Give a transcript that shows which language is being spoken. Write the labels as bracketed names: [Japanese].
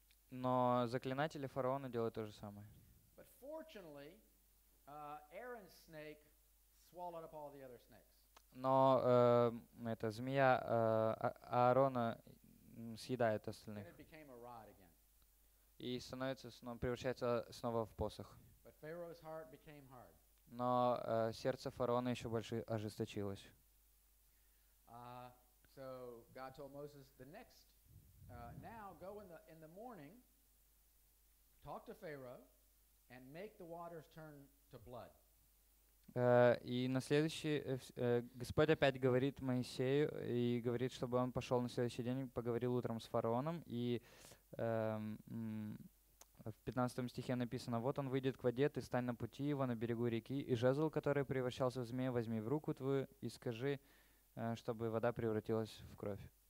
[Russian] Но заклинатели фараона делают то же самое. [English] But fortunately, Aaron's snake swallowed up all the other snakes. [Russian] Но эта змея Аарона съедает остальных. [English] And it became a rod again. [Russian] И становится снова, превращается снова в посох. [English] But Pharaoh's heart became hard. [Russian] Но сердце фараона еще больше ожесточилось. [English] So God told Moses the next now go in the morning, talk to Pharaoh, and make the waters turn to blood. [Russian] И на следующий Господь опять говорит Моисею и говорит, чтобы он пошел на следующий день, поговорил утром с фараоном. И в 15 стихе написано: «Вот он выйдет к воде, ты стань на пути его на берегу реки, и жезл, который превращался в змея, возьми в руку твою и скажи, чтобы вода превратилась в кровь».